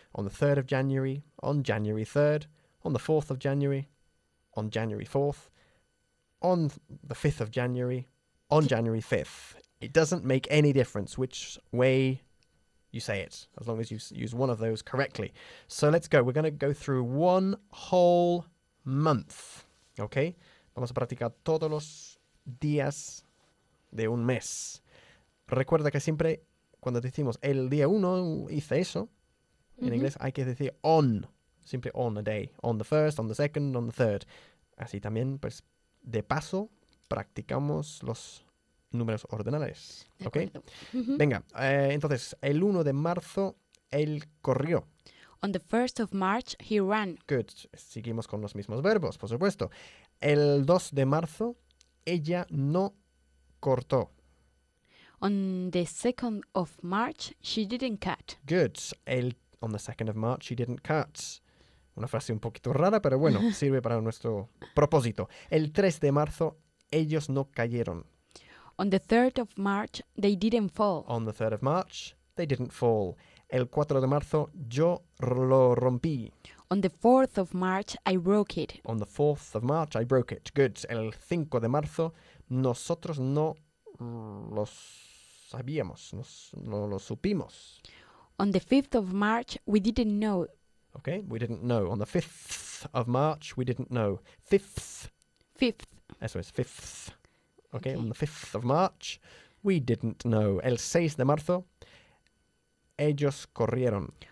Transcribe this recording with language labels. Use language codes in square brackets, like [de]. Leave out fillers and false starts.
[en] On the 3rd of January, on January 3rd. On the 4th of January, on January 4th. On the 5th of January, on January 5th. It doesn't make any difference which way you say it, as long as you use one of those correctly. So let's go. We're going to go through one whole month. Okay? [es] Vamos a practicar todos los días de un mes. Recuerda que siempre cuando decimos el día uno hice eso, mm-hmm. en inglés hay que decir on, [en] simply on a day, on the first, on the second, on the third. [es] Así también, pues, de paso, practicamos los números ordinales. Ok. Mm-hmm. Venga, entonces, el 1 de marzo, él corrió. [en] On the 1st of March, he ran. [es] Good. Seguimos con los mismos verbos, por supuesto. El 2 de marzo, ella no cortó. [en] On the 2nd of March, she didn't cut. Good. On the 2nd of March, she didn't cut. [es] Una frase un poquito rara, pero bueno, sirve para nuestro propósito. El 3 de marzo, ellos no cayeron. [en] On the 3rd of March, they didn't fall. On the 3rd of March, they didn't fall. [es] El 4 de marzo, yo lo rompí. [en] On the 4th of March, I broke it. On the 4th of March, I broke it. Good. [es] El 5 de marzo, nosotros no lo sabíamos, no lo supimos. [en] On the 5th of March, we didn't know. Okay, we didn't know. On the 5th of March, we didn't know. Fifth. Fifth. [es] Eso es, fifth. [en] Okay, on the 5th of March, we didn't know. [es] El 6 de marzo, ellos corrieron.